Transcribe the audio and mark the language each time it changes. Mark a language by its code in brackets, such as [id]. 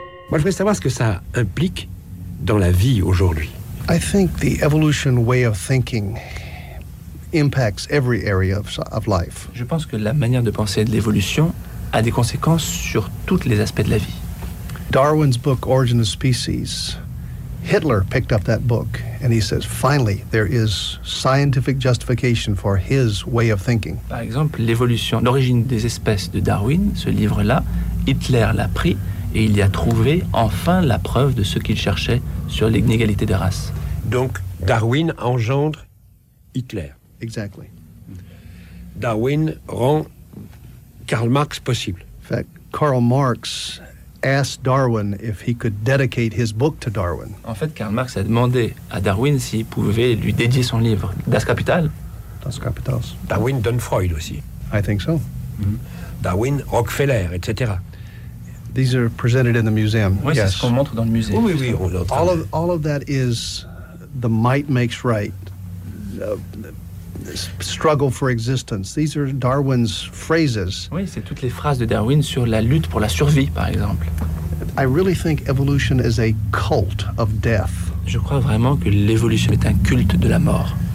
[fr] Je voudrais savoir ce que ça implique dans la vie aujourd'hui. [en] I think the evolution way of thinking impacts every area of life. [fr] Je pense que la manière de penser de l'évolution a des conséquences sur tous les aspects de la vie. [en] Darwin's book Origin of Species. Hitler picked up that book and he says finally there is scientific justification for his way of thinking. [fr] Par exemple, l'évolution, l'origine des espèces de Darwin, ce livre-là, Hitler l'a pris. Et il y a trouvé enfin la preuve de ce qu'il cherchait sur l'inégalité des races. Donc, Darwin engendre Hitler. [en] Exactly. [fr] Darwin rend Karl Marx possible. [en] In fact, Karl Marx asked Darwin if he could dedicate his book to Darwin. [fr] En fait, Karl Marx a demandé à Darwin s'il pouvait lui dédier son livre, Das Kapital. [de] Das Kapital. [fr] Darwin donne Freud aussi. [en] I think so. [fr] Darwin, Rockefeller, etc. [en] These are presented in the museum. [fr] Oui, [en] yes. [fr] C'est ce qu'on montre dans le musée. Oui, oui, oui. [en] All of that is the might makes right, struggle for existence. These are Darwin's phrases. [fr] Oui, c'est toutes les phrases de Darwin sur la lutte pour la survie, par exemple. [en] I really think evolution is a cult of death. [fr] Je crois vraiment que l'évolution est un culte de la mort.